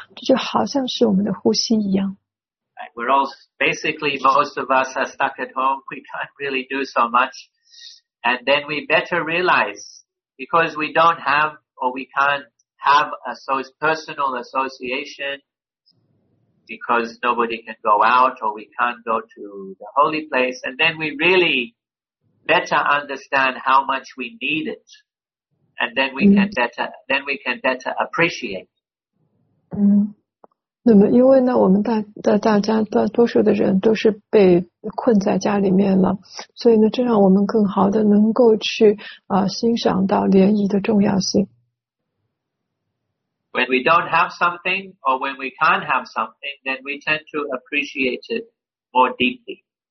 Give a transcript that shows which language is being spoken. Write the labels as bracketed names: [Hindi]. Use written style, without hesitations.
[Chinese] 所以从在这种情况之下，也让我们更好的意识到联谊的重要性。即便是在网上的联谊，都是那么的重要，这就好像是我们的呼吸一样。 [English] We're all, basically, most of us are stuck at home. We can't really do so much. And then we better realize, because we don't have or we can't have a personal association, because nobody can go out or we can't go to the holy place, and then we really better understand how much we need it. And then we can better, appreciate. [Chinese] 那么因为呢，我们大家大多数的人都是被困在家里面了，所以呢，这让我们更好的能够去欣赏到联谊的重要性。 [English] When we don't have something or when we can't have something, then we tend to appreciate it more deeply.